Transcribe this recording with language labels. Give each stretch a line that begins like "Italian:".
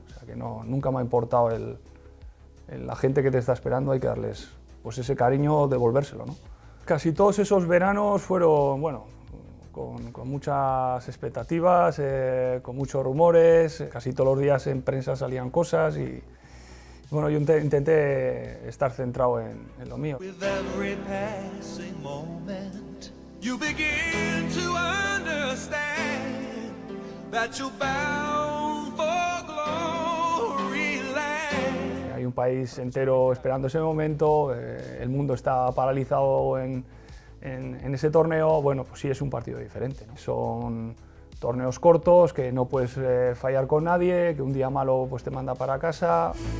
Spanish: O sea, que no, nunca me ha importado la gente que te está esperando, hay que darles pues ese cariño, devolvérselo, ¿no? Casi todos esos veranos fueron, bueno, con muchas expectativas, con muchos rumores. Casi todos los días en prensa salían cosas y bueno, yo intenté estar centrado en lo mío.
English: With every passing moment, you begin to understand that you're bound for glory.
Spanish: Hay un país entero esperando ese momento, el mundo está paralizado en ese torneo. Bueno, pues sí, es un partido diferente, ¿no? Son torneos cortos, que no puedes fallar con nadie, que un día malo pues te manda para casa.